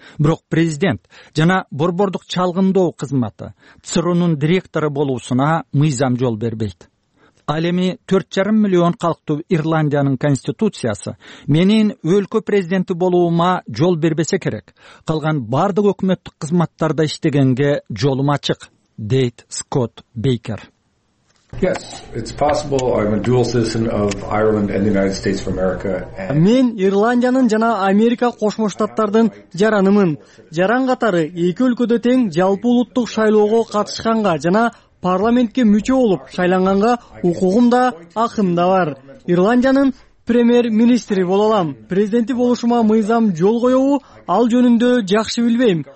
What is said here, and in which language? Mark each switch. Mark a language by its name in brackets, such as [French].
[Kyrgyz] Бирок президент жана борбордук чалгындоо кызматы ЦРУнун директору болуусуна мыйзам жол бербейт. Ал эми 4.5 миллион калктуу Ирландиянын конституциясы менин өлкө президенти болуума жол бербесе керек, калган бардык өкмөттүк кызматтарда иштегенге жолум ачык, дейт Скотт Бейкер. [English] Yes, it's possible I'm a dual citizen of Ireland and the United States of America. [Kyrgyz] Мен Ирландиянын жана Америка Кошмо Штаттардын жаранымын. Жаран катары эки өлкөдө тең жалпы улуттук шайлоого катышканга жана парламентке мүчө болуп шайланганга укугум да, акым да бар. Ирландиянын премьер-министри боло алам. Президенти болушума мыйзам жол коёбу, ал жөнүндө жакшы билбейм.